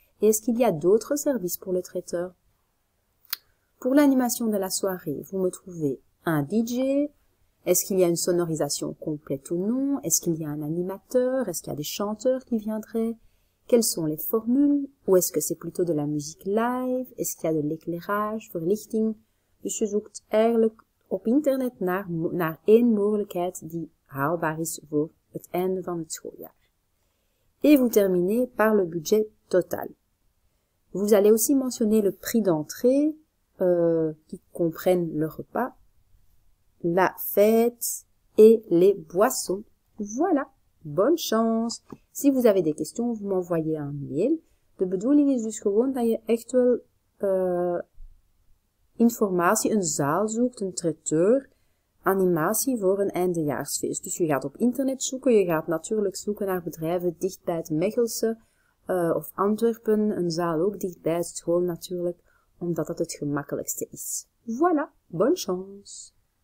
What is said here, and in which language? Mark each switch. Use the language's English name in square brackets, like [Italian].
[French] Et est-ce qu'il y a d'autres services pour le traiteur? Pour l'animation de la soirée, vous me trouvez un DJ. Est-ce qu'il y a une sonorisation complète ou non? Est-ce qu'il y a un animateur? Est-ce qu'il y a des chanteurs qui viendraient? Quelles sont les formules? Ou est-ce que c'est plutôt de la musique live? Est-ce qu'il y a de l'éclairage, verlichting? [Dutch] Dus je zoekt eigenlijk op internet naar één mogelijkheid die haalbaar is voor het einde van het schooljaar. [French] Et vous terminez par le budget total. Vous allez aussi mentionner le prix d'entrée, qui comprenne le repas, la fête et les boissons. Voilà! Bonne chance! Si vous avez des questions, vous m'envoyez un mail. [Dutch] De bedoeling is dus gewoon dat je echt wel informatie, een zaal zoekt, een traiteur, animatie voor een eindejaarsfeest. Dus je gaat op internet zoeken, je gaat natuurlijk zoeken naar bedrijven dicht bij het Mechelse of Antwerpen, een zaal ook dicht bij het school natuurlijk, omdat dat het gemakkelijkste is. [French] Voilà, bonne chance!